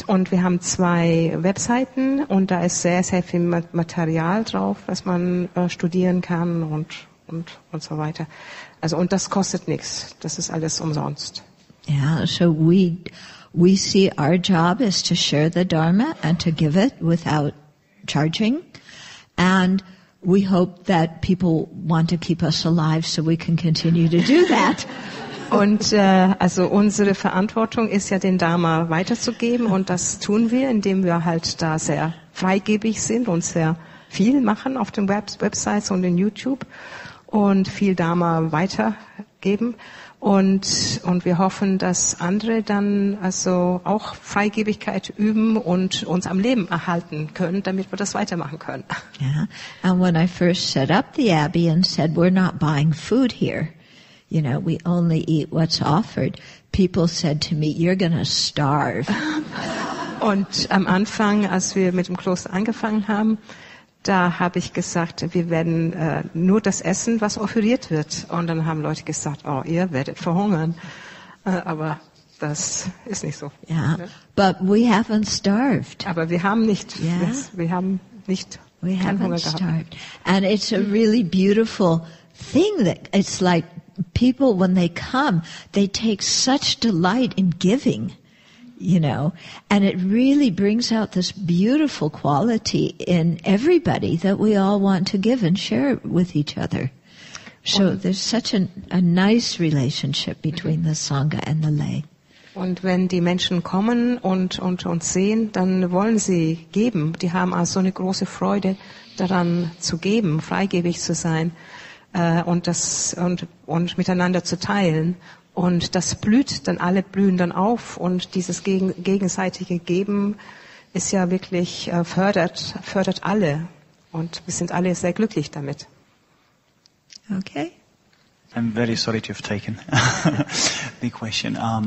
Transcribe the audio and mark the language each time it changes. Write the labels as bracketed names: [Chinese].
[German] Und wir haben zwei Webseiten und da ist sehr, sehr viel Material drauf, was man studieren kann und so weiter. Also, und das kostet nichts. Das ist alles umsonst. [English] Yeah, so we see our job is to share the Dharma and to give it without charging. And we hope that people want to keep us alive so we can continue to do that. [German] Und also unsere Verantwortung ist ja, den Dharma weiterzugeben, und das tun wir, indem wir halt da sehr freigebig sind und sehr viel machen auf den Websites und in YouTube und viel Dharma weitergeben, und wir hoffen, dass andere dann also auch Freigebigkeit üben und uns am Leben erhalten können, damit wir das weitermachen können. [English] Yeah. And when I first set up the Abbey and said we're not buying food here, you know, we only eat what's offered, people said to me, you're going to starve. [German] Und am Anfang, als wir mit dem Kloster angefangen haben, da habe ich gesagt, wir werden nur das essen, was offeriert wird. Und dann haben Leute gesagt, oh, ihr werdet verhungern. Aber das ist nicht so. [English] Yeah. Ne? But we haven't starved. [German] Aber wir haben nicht, yeah? wir haben keinen Hunger gehabt. [English] And it's a really beautiful thing that it's like, people, when they come, they take such delight in giving, you know, and it really brings out this beautiful quality in everybody that we all want to give and share with each other. So there's such a nice relationship between the Sangha and the lay. [German] Und wenn die Menschen kommen und uns sehen, dann wollen sie geben. Die haben also eine große Freude daran zu geben, freigebig zu sein. Und miteinander zu teilen, und das blüht dann, alle blühen dann auf, und dieses gegenseitige Geben ist ja wirklich fördert alle, und wir sind alle sehr glücklich damit. [English] Okay. I'm very sorry to have taken the question.